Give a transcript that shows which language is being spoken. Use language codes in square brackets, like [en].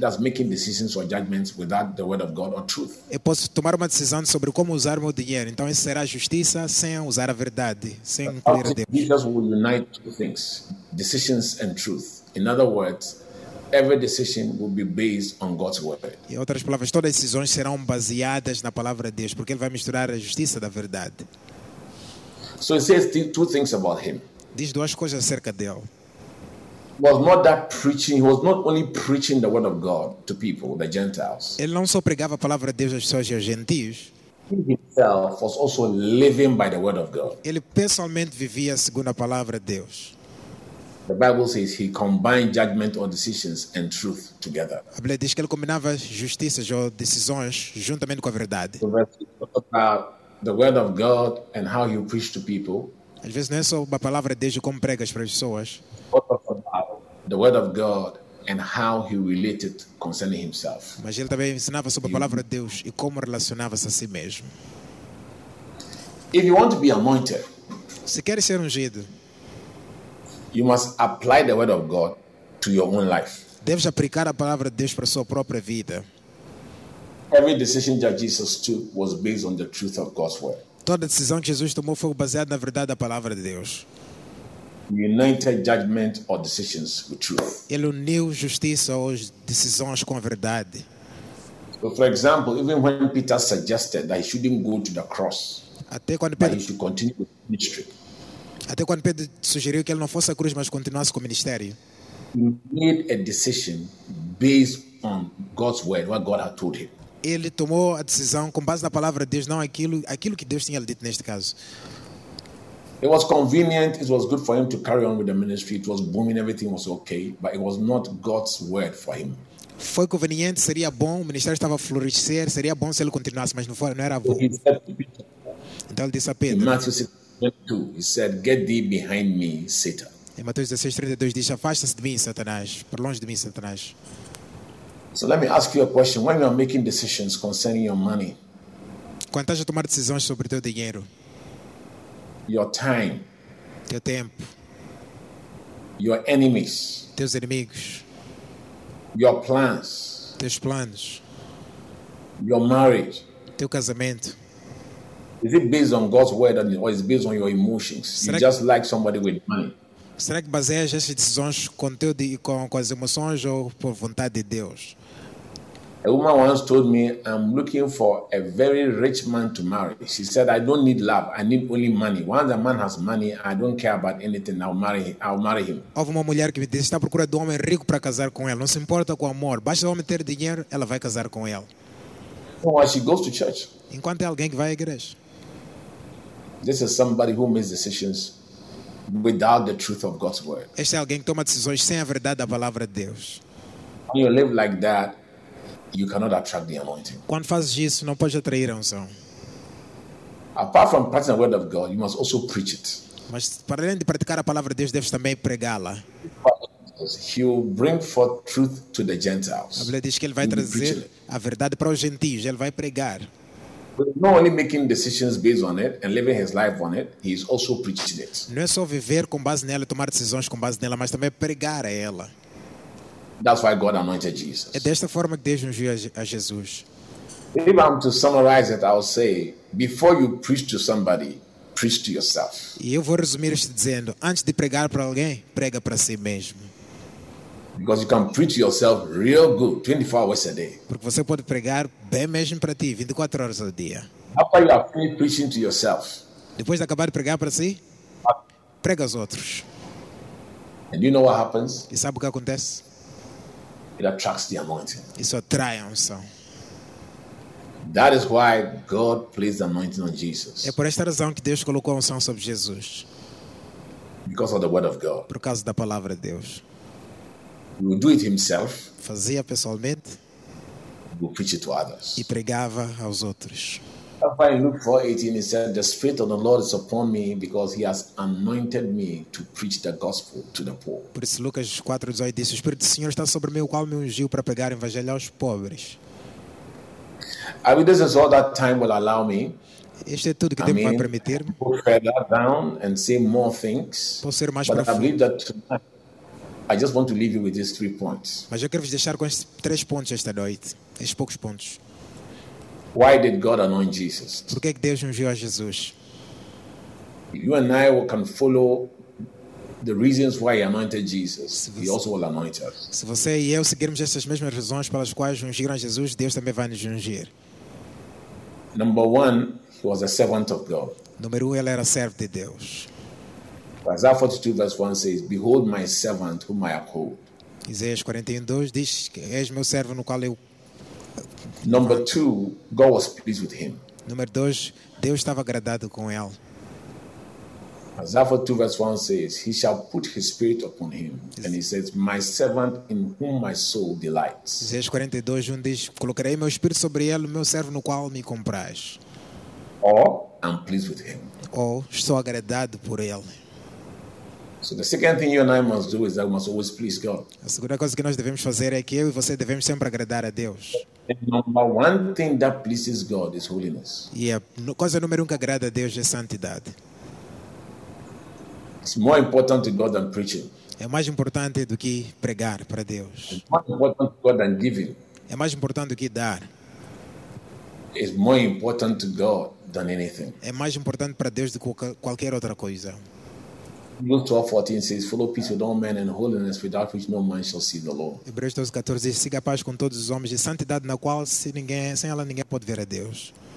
[en] That's making decisions or judgments without the word of God or truth. [pt] Eu posso tomar uma decisão sobre como usar meu dinheiro. Então isso será justiça sem usar a verdade, sem incluir a Deus. [en] Jesus will unite two things: decisions and truth. In other words, every decision will be based on God's word. [pt] Em outras palavras, todas as decisões serão baseadas na palavra de Deus, porque ele vai misturar a justiça da verdade. [en] So it says two things about him. [pt] Diz duas coisas acerca dele. [en] Was not that preaching? He was not only preaching the word of God to people, the Gentiles. [pt] Ele não só pregava a palavra de Deus às pessoas e aos gentios. [en] He himself was also living by the word of God. [pt] Ele pessoalmente vivia segundo a palavra de Deus. [en] The Bible says he combined judgment or decisions and truth together. [pt] A Bíblia diz que ele combinava justiças ou decisões juntamente com a verdade. [en] So that's about the word of God and how you preach to people. [pt] Às vezes não é só uma palavra de Deus como pregas para as pessoas. [en] The word of God and how he related concerning himself. [pt] Mas ele também ensinava sobre a palavra de Deus e como relacionava-se a si mesmo. [en] If you want to be anointed, [pt] se queres ser ungido, [en] you must apply the word of God to your own life. [pt] Deves aplicar a palavra de Deus para a sua própria vida. [en] Every decision that Jesus took was based on the truth of God's word. [pt] Toda decisão que Jesus tomou foi baseada na verdade da palavra de Deus. [en] United judgment or decisions with truth. [pt] Ele uniu justiça ou decisões com a verdade. [en] So for example, even when Peter suggested that he shouldn't go to the cross, [pt] Pedro, [en] that he should continue with ministry. [pt] Até quando Pedro sugeriu que ele não fosse à cruz, mas continuasse com o ministério. [en] He made a decision based on God's word, what God had told him. [pt] Ele tomou a decisão com base na palavra de Deus, não aquilo que Deus tinha lhe dito neste caso. [en] It was convenient, it was good for him to carry on with the ministry, it was booming, everything was okay, but it was not God's word for him. [pt] Foi conveniente, seria bom, o ministério estava a florescer, seria bom se ele continuasse, mas não era bom. Então ele disse a Pedro. [en] In Matthew 6:32, he said, "Get thee behind me, Satan." [pt] Em Mateus 16:32 diz, afasta-se de mim, Satanás, para longe de mim, Satanás. [en] So let me ask you a question. When you are making decisions concerning your money, [pt] quando estás a tomar decisões sobre o teu dinheiro, [en] your time, [pt] teu tempo, [en] your enemies, [pt] teus inimigos, [en] your plans, [pt] teus planos, [en] your marriage, [pt] teu casamento, [en] is it based on God's word or is it based on your emotions? You just like somebody with money. [pt] Será que baseias essas decisões com as emoções ou por vontade de Deus? [en] A woman once told me, "I'm looking for a very rich man to marry." She said, "I don't need love. I need only money. Once a man has money, I don't care about anything. I'll marry him." [pt] Houve uma mulher que me disse, está à procura de um homem rico para casar com ele. Não se importa com amor. Basta o homem ter dinheiro, ela vai casar com ele. [en] Well, she goes to church. [pt] Enquanto é alguém que vai à igreja. [en] This is somebody who makes decisions without the truth of God's word. [pt] Este é alguém que toma decisões sem a verdade da palavra de Deus. [en] When you live like that, you cannot attract the anointing. [pt] Quando fazes isso, não podes atrair a unção. [en] Apart from practicing the word of God, you must also preach it. [pt] Mas para além de praticar a palavra de Deus, deves também pregá-la. [en] He will bring forth truth to the Gentiles. [pt] A Bíblia diz que ele vai trazer a verdade para os gentios, ele vai pregar. [en] Not only making decisions based on it and living his life on it, he is also preaching it. [pt] Não é só viver com base nela, tomar decisões com base nela, mas também pregar a ela. [en] That's why God anointed Jesus. [pt] É desta forma que Deus ungiu a Jesus. [en] If I'm to summarize it, I'll say, before you preach to somebody, preach to yourself. [pt] E eu vou resumir isto dizendo, antes de pregar para alguém, prega para si mesmo. [en] Because you can preach yourself real good 24 hours a day. [pt] Porque você pode pregar bem mesmo para ti 24 horas ao dia. [en] After you are finished preaching to yourself. [pt] Depois de acabar de pregar para si, prega aos outros. [en] And you know what happens? [pt] E sabe o que acontece? [en] It attracts the anointing. [pt] Isso atrai a unção. [en] That is why God placed the anointing on Jesus. [pt] É por esta razão que Deus colocou a unção sobre Jesus. [en] Because of the word of God. [pt] Por causa da palavra de Deus. [en] He would do it himself. [pt] Fazia pessoalmente. [en] He would preach it to others. [pt] E pregava aos outros. [en] Therefore, in Luke 4:18, he said, "The Spirit of the Lord is upon me, because He has anointed me to preach the gospel to the poor." [pt] Por isso, Lucas 4:18 disse: "O Espírito do Senhor está sobre mim, o qual me ungiu para pregar o evangelho aos pobres." [en] I mean, this is all that time will allow me. [pt] Este é tudo que tempo vai permitir. [en] I mean, further down and say more things. [pt] Posso ser mais profundo. [en] But I believe that tonight, I just want to leave you with these 3 points. [pt] Mas eu quero vos deixar com estes 3 pontos esta noite, estes poucos pontos. [en] Why did God anoint Jesus? [pt] Por que é que Deus ungiu a Jesus? [en] You and I can follow the reasons why He anointed Jesus. He also will anoint us. [pt] Se você e eu seguirmos estas mesmas razões pelas quais ungiram a Jesus, Deus também vai nos ungir. [en] Number one, He was a servant of God. [pt] Número 1, ele era servo de Deus. [en] Isaiah 42 verse 1 says, "Behold my servant whom I uphold." [pt] Isaías 41:2 diz que és meu servo no qual eu. [en] Number 2, God was pleased with him. [pt] Número 2, Deus estava agradado com ele. [en] Isaiah 42 verse 1 says, "He shall put his spirit upon him." And he says, "My servant in whom my soul delights." [pt] Isaías 42:1 diz, "Colocarei meu espírito sobre ele, meu servo no qual me compraz." [en] Or, "I'm pleased with him." [pt] Ou, estou agradado por ele. [en] So the second thing you and I must do is that we must always please God. [pt] A segunda coisa que nós devemos fazer é que eu e você devemos sempre agradar a Deus. [en] And number one thing that pleases God is holiness. [pt] Yeah, coisa número 1 que agrada a Deus é santidade. It's more important to God than preaching. É mais importante do que pregar para Deus. It's more important to God than giving. É mais importante do que dar. It's more important to God than anything. É mais importante para Deus do que qualquer outra coisa. Luke 12:14 says, "Follow peace with all men and holiness, without which no man shall see the Lord." Hebreus 12:14 diz, "Siga a paz com todos os homens e santidade na qual sem ela ninguém pode ver a Deus."